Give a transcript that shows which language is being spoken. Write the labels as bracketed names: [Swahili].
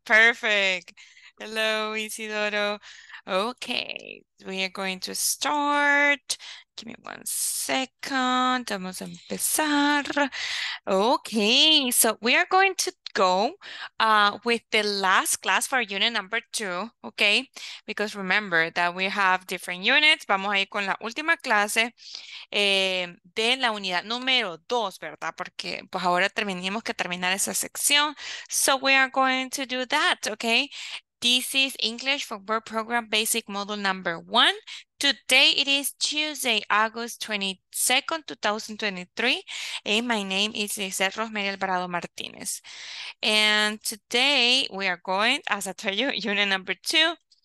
[English] Perfect. Hello, Isidoro. Okay, we are going to start. Give me one second. [Spanish] Vamos a empezar. [English] Okay, so we are going to go with the last class for unit number 2, okay? Because remember that we have different units. [Spanish] Vamos a ir con la última clase de la unidad número 2, ¿verdad? Porque pues ahora tenemos que terminar esa sección. [English] So we are going to do that, okay? This is English for Work Program Basic Module Number 1. Today it is Tuesday, August 22nd, 2023. And my name is Rosemary Alvarado Martinez. And today we are going, as I told you, unit number 2.